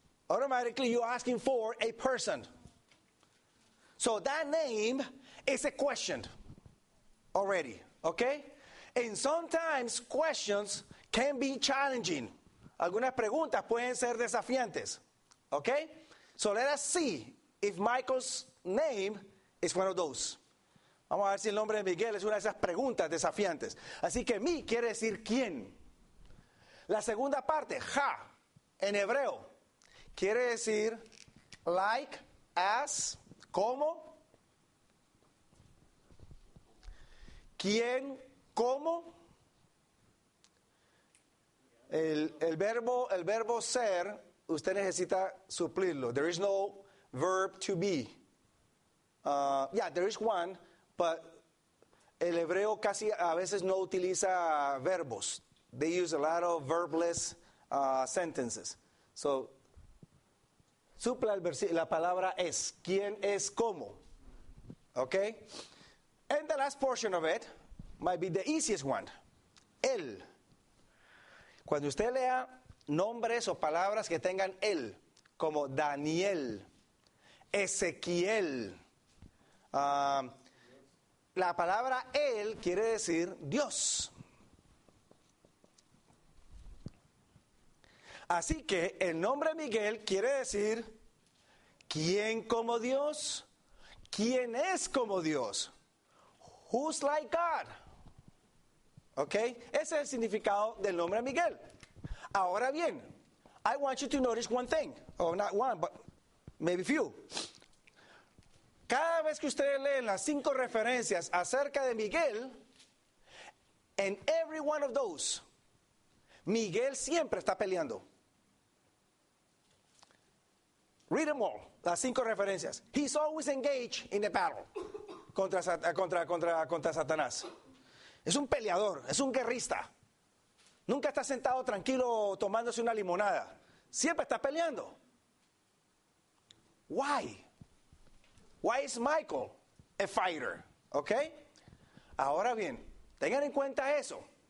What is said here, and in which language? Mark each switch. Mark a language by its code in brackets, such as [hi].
[en] Automatically you're asking for a person. So that name is a question already, okay? And sometimes questions can be challenging. [es] Algunas preguntas pueden ser desafiantes. [en] Okay? So let us see if Michael's name is one of those. [es] Vamos a ver si el nombre de Miguel es una de esas preguntas desafiantes. Así que mi quiere decir quién. La segunda parte, ja, en hebreo, quiere decir [en] like, as, [es] como, quién, como. El verbo ser, usted necesita suplirlo. [en] There is no verb to be. Yeah, there is one, but [es] el hebreo casi a veces no utiliza verbos. [en] They use a lot of verbless sentences. [es] So, supla la palabra es. ¿Quién es cómo? [en] Okay? And the last portion of it might be the easiest one. [es] Él. Cuando usted lea nombres o palabras que tengan él, como Daniel, Ezequiel, la palabra él quiere decir Dios. Así que el nombre Miguel quiere decir ¿quién como Dios? ¿Quién es como Dios? [en] Who's like God? [es] ¿Ok? Ese es el significado del nombre Miguel. Ahora bien, [en] I want you to notice one thing. Oh, not one, but maybe few. [es] Cada vez que ustedes leen las cinco referencias acerca de Miguel, [en] in every one of those, [es] Miguel siempre está peleando. [en] Read them all, [es] las cinco referencias. [en] He's always engaged in a battle [es] contra Satanás. Es un peleador, es un guerrista. Nunca está sentado tranquilo tomándose una limonada. Siempre está peleando. [en] Why? Why is Michael a fighter? Okay? [es] Ahora bien, tengan en cuenta eso.